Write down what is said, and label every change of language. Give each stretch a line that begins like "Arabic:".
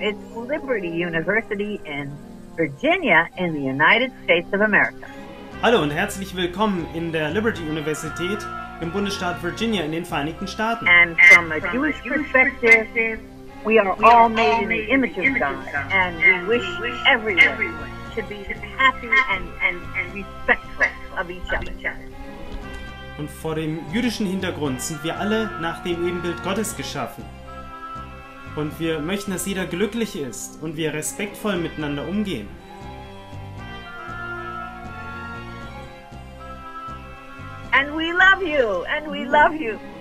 English: It's Liberty University in Virginia in the United States of America.
German: Hallo und herzlich willkommen in der Liberty Universität im Bundesstaat Virginia in den Vereinigten Staaten.
English: And from a Jewish perspective, we are all made in the image of God, and we wish everyone to be happy and respectful of each other.
German: Und vor dem jüdischen Hintergrund sind wir alle nach dem Ebenbild Gottes geschaffen. Und wir möchten, dass jeder glücklich ist und wir respektvoll miteinander umgehen.
English: And we love you, and we love you.